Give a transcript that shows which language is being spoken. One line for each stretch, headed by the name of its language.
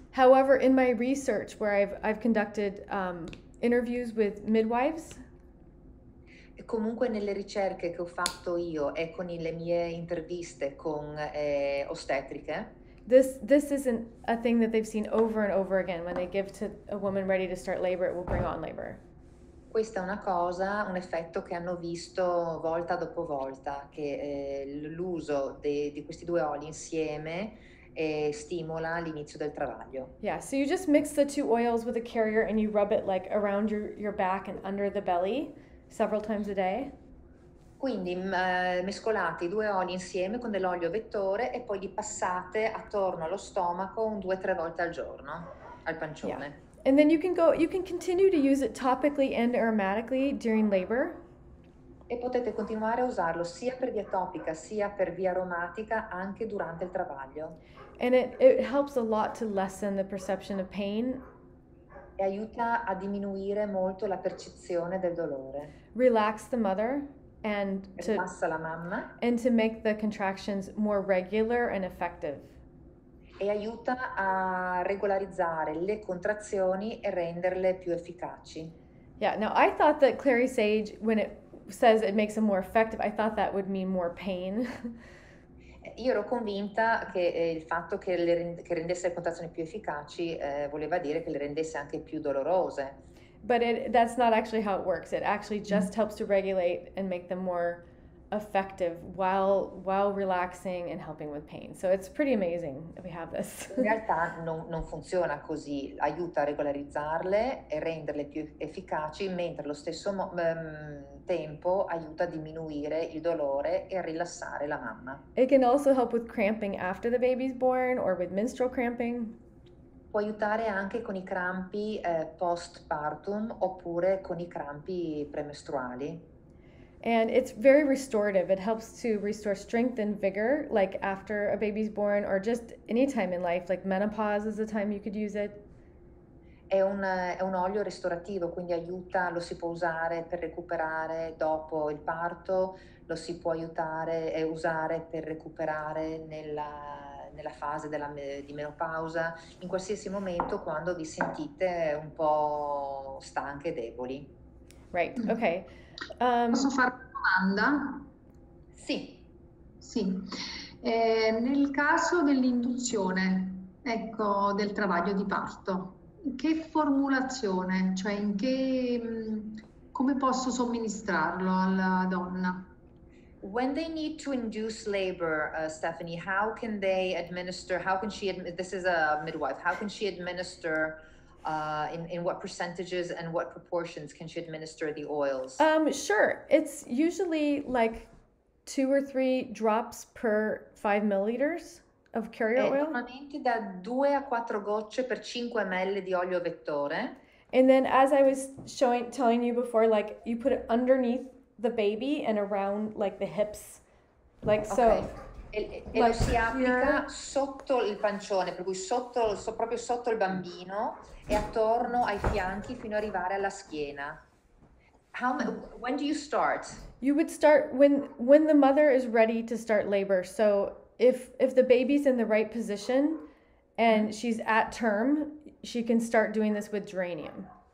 English: However, in my research where I've conducted interviews with midwives.
Italian: E comunque nelle ricerche che ho fatto io e con le mie interviste con ostetriche.
English: This isn't a thing that they've seen over and over again. When they give to a woman ready to start labor, it will bring on labor.
Italian: Questa è una cosa, un effetto che hanno visto volta dopo volta, che l'uso di questi due oli insieme e stimola l'inizio del travaglio.
English: Yeah, so you just mix the two oils with a carrier and you rub it like around your back and under the belly several times a day.
Italian: Quindi mescolate i due oli insieme con dell'olio vettore e poi li passate attorno allo stomaco 2-3 volte al giorno, al pancione.
English: Yeah. And then you can continue to use it topically and aromatically during labor.
Italian: E potete continuare a usarlo sia per via topica sia per via aromatica anche durante il travaglio.
English: And it helps a lot to lessen the perception of pain.
Italian: E aiuta a diminuire molto la percezione del dolore.
English: Relax the mother. And to,
Italian: rilassa la mamma.
English: And to make the contractions more regular and effective.
Italian: E aiuta a regolarizzare le contrazioni e renderle più efficaci.
English: Yeah, now I thought that Clary Sage, when it says it makes them more effective, I thought that would mean more pain.
Italian: Io ero convinta che il fatto che, che rendesse le contrazioni più efficaci voleva dire che le rendesse anche più dolorose.
English: But that's not actually how it works. It actually just helps to regulate and make them more effective while relaxing and helping with pain. So it's pretty amazing that we have this.
Italian: In realtà non funziona così. Aiuta a regolarizzarle e renderle più efficaci, mentre allo stesso tempo aiuta a diminuire il dolore e a rilassare la mamma.
English: It can also help with cramping after the baby's born or with menstrual cramping.
Italian: Può aiutare anche con i crampi postpartum oppure con i crampi premestruali.
English: And it's very restorative. It helps to restore strength and vigor, like after a baby's born or just any time in life, like menopause is the time you could use it.
Italian: È un olio restaurativo, quindi aiuta, lo si può usare per recuperare dopo il parto, lo si può aiutare e usare per recuperare nella fase di menopausa, in qualsiasi momento quando vi sentite un po' stanche e deboli.
English: Right, ok.
Italian: Posso fare una domanda? Sì. Sì. Nel caso dell'induzione, ecco, del travaglio di parto, che formulazione, cioè in che, come posso somministrarlo alla donna?
English: When they need to induce labor, Stephanie, how can they administer, how can she, this is a midwife, how can she administer, in what percentages and what proportions can she administer the oils? Sure, it's usually like 2 or 3 drops per 5 milliliters of carrier oil.
Italian: Normalmente da 2 a 4 gocce per 5 ml di olio vettore.
English: And then as I was telling you before, like you put it underneath the baby and around like the hips, like so.
Italian: Okay. E lo si applica
English: here.
Italian: Sotto il pancione, per cui sotto, proprio sotto il bambino e attorno ai fianchi fino ad arrivare alla schiena.
English: When do you start? You would start when the mother is ready to start labor. So if the baby's in the right position and she's at term, she can start doing this with geranium.